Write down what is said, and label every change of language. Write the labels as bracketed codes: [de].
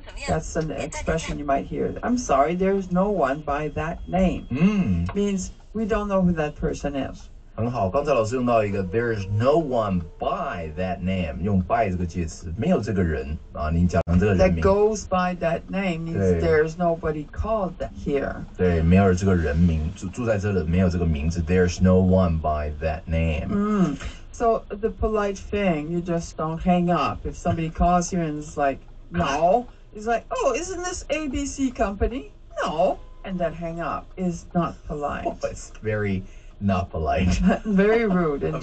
[en] That's an expression you might hear. I'm sorry, there's no one by that name. Means we don't know who that person is. [zh] 很好，刚才老师用到一个 [en] there's no one by that name， [zh] 用 by 这个介词，没有这个人啊，你讲这个人名。 [en] That goes by that name means there's nobody called here. [zh] 对，没有这个人名，住在这里没有这个名字。 [en] There's no one by that name. So the polite thing, you just don't hang up if somebody calls you and is like, no. It's like, oh, isn't this ABC company? No. And then hang up is not polite. Oh, it's very not polite. Very rude indeed.